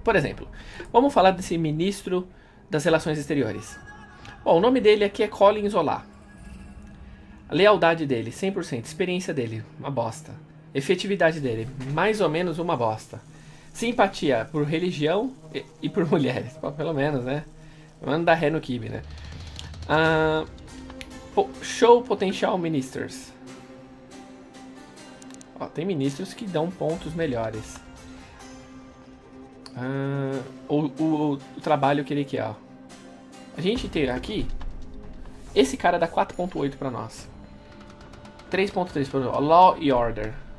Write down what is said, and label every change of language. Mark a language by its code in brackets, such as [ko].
[pt] Por exemplo, vamos falar desse ministro das Relações Exteriores. Bom, o nome dele aqui é Colin Zola. Lealdade dele, 100%. Experiência dele, uma bosta. Efetividade dele, mais ou menos uma bosta. Simpatia por religião e por mulheres. Bom, pelo menos, né? Manda ré no kibe, né? [en] Show potential ministers. [pt] Ó, tem ministros que dão pontos melhores. O trabalho que ele quer, ó. A gente tem aqui. Esse cara dá 4,8 pra nós. 3,3, por exemplo, Law and Order.